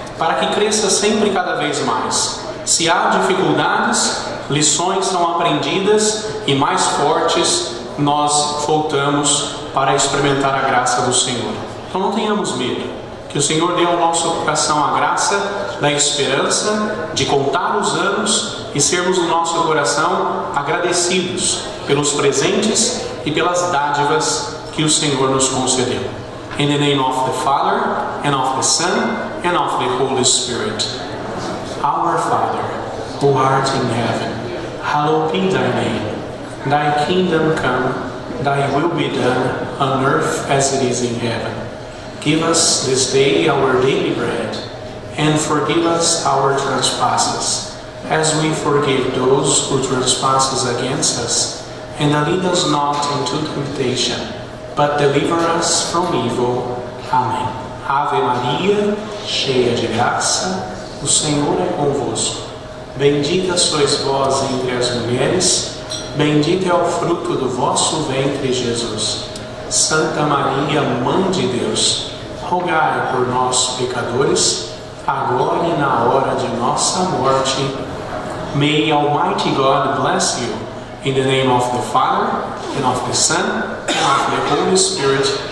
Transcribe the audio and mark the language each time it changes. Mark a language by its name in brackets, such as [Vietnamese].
[Portuguese] para que cresça sempre cada vez mais. Se há dificuldades, lições são aprendidas e mais fortes nós voltamos para experimentar a graça do Senhor. Então não tenhamos medo. Que o Senhor dê ao nosso coração a graça da esperança, de contar os anos e sermos no nosso coração agradecidos pelos presentes e pelas dádivas que o Senhor nos concedeu. [English] In the name of the Father, and of the Son, and of the Holy Spirit. Our Father, who art in heaven, hallowed be thy name. Thy kingdom come, thy will be done, on earth as it is in heaven. Give us this day our daily bread, and forgive us our trespasses, as we forgive those who trespass against us. And lead us not into temptation, but deliver us from evil. Amen. [Portuguese] Ave Maria, cheia de graça, o Senhor é convosco. Bendita sois vós entre as mulheres, bendito é o fruto do vosso ventre, Jesus. Santa Maria, Mãe de Deus, rogai por nós, pecadores, agora e na hora de nossa morte. [English] May Almighty God bless you, in the name of the Father, and of the Son, and of the Holy Spirit.